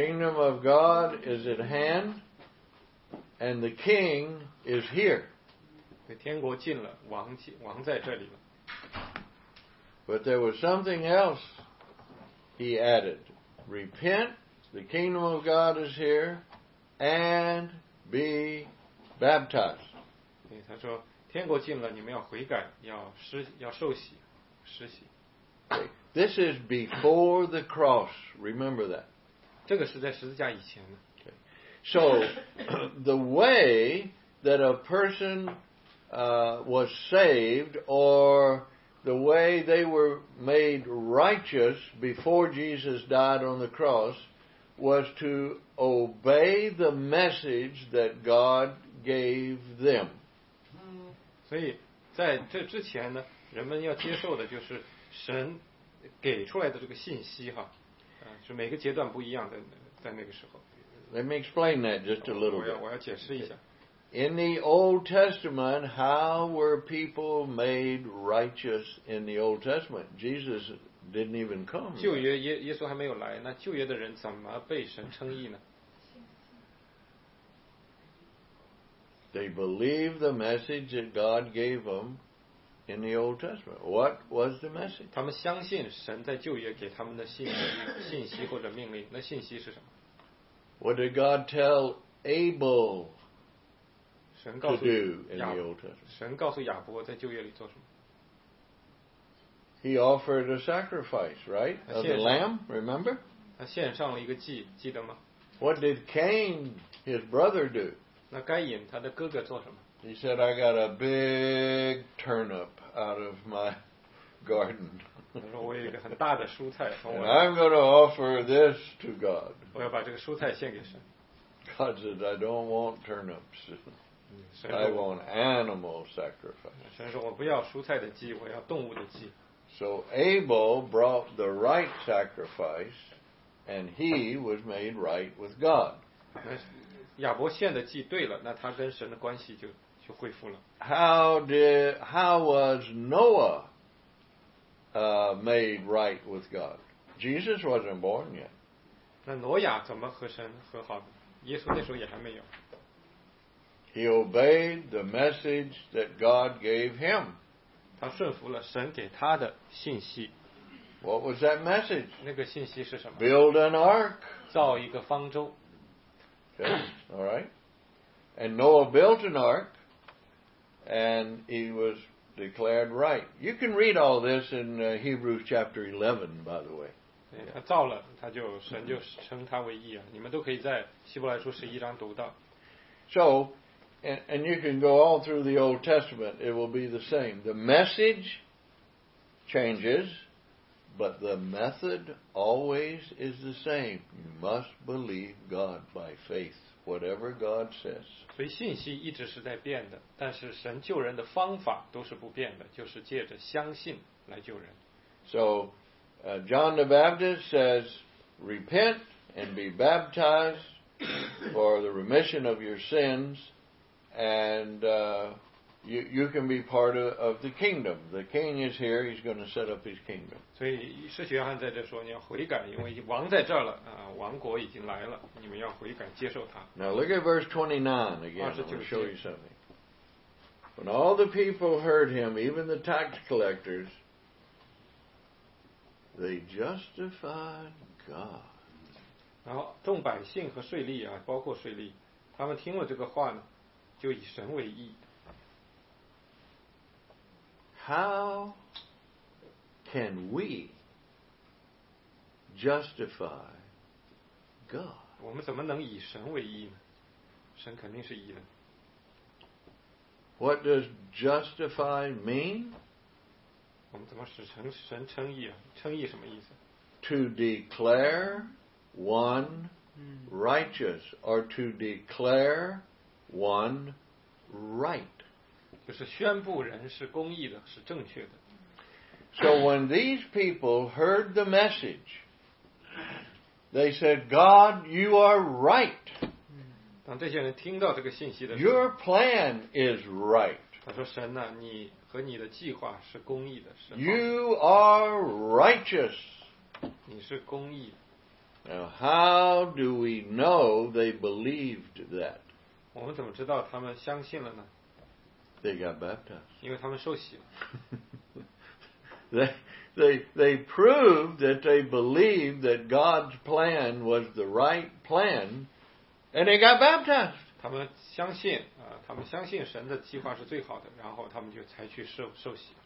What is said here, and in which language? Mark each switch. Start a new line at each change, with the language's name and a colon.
English: kingdom of God is at hand, and the king is here.
Chinese: 对，天国近了，王近，王在这里了。
English: But there was something else he added. Repent, the kingdom of God is here, and be baptized.
Chinese: 对，他说，天国近了，你们要悔改，要受洗，施洗。
English: Okay. This is before the cross. Remember that.
Chinese: 这个是在十字架以前的。
English: Okay. So, the way that a person was saved, or... The way they were made righteous before Jesus died on the cross was to obey the message that God gave them.
Chinese: 所以在这之前呢，人们要接受的就是神给出来的这个信息哈，是每个阶段不一样的，在那个时候。
English: Let me explain that just a little bit.
Chinese: 我要解释一下。
English: In the Old Testament, how were people made righteous in the Old Testament? Jesus didn't even come.
Chinese: 旧约耶稣还没有来，那旧约的人怎么被神称义呢？
English: They believed the message that God gave them in the Old Testament. What was the message?
Chinese: 他们相信神在旧约给他们的信息或者命令，那信息是什么？
English: What did God tell Abel?
Chinese: 神告诉亚伯在旧约里做什么？
English: He offered a sacrifice, right? Of the lamb, remember?
Chinese: 他献上了一个祭，记得吗？
English: What did Cain, his brother, do?
Chinese: 那该隐他的哥哥做什么？
English: He said, I got a big turnip out of my garden.
Chinese: 他说我有一个很大的蔬菜。
English: And I'm going to offer this to God.
Chinese: 我要把这个蔬菜献给神。
English: God said, I don't want turnips. I want animal sacrifice.
Chinese: 神说我不要蔬菜的祭，我要动物的祭。
English: So Abel brought the right sacrifice, and he was made right with God.
Chinese: 那亚伯献的祭对了，那他跟神的关系就恢复了。
English: How was Noah made right with God? Jesus wasn't born yet.
Chinese: 那挪亚怎么和神和好？耶稣那时候也还没有。
English: He obeyed the message that God gave him.
Chinese: 他顺服了神给他的信息。
English: What was that message?
Chinese: 那个信息是什么？
English: Build an ark.
Chinese: 造一个方舟。
English: Okay, all right. And Noah built an ark, and he was declared right. You can read all this in Hebrews chapter 11, by the way.
Chinese: 他造了，他就神就称他为义啊！你们都可以在希伯来书十一章读到。
English: So. And you can go all through the Old Testament. It will be the same. The message changes, but the method always is the same. You must believe God by faith, whatever God says.
Chinese: 所以信息一直是在变的，但是神救人的方法都是不变的，就是借着相信来救人。
English: So, John the Baptist says, "Repent and be baptized for the remission of your sins." And you can be part of the kingdom. The king is here. He's going to set up his kingdom.
Chinese: 所以使徒约翰在这说你要悔改，因为王在这儿了，王国已经来了，你们要悔改接受他。
English: Now look at verse 29 again. I'll show you something. When all the people heard him, even the tax collectors, they justified God.
Chinese: 然后众百姓和税吏啊，包括税吏，他们听了这个话呢。就以神为义。
English: How can we justify God?
Chinese: 我们怎么能以神为义呢？神肯定是义的。
English: What does justify mean?
Chinese: 我们怎么使神称义啊？称义什么意思？
English: To declare one righteous, or to declare one right.
Chinese: 就是宣布人是公义的，是正确的。
English: So when these people heard the message, they said, God, you are right. Your plan is right.
Chinese: 他说神啊，你和你的计划是公义的。
English: You are righteous.
Chinese: 你是公义。
English: Now, how do we know they believed that?
Chinese: 我们怎么知道他们相信了呢？
English: They got baptized.
Chinese: 因为他们受洗了。
English: They proved that they believed that God's plan was the right plan, and they got baptized.
Chinese: 他们相信啊，他们相信神的计划是最好的，然后他们就才去受洗。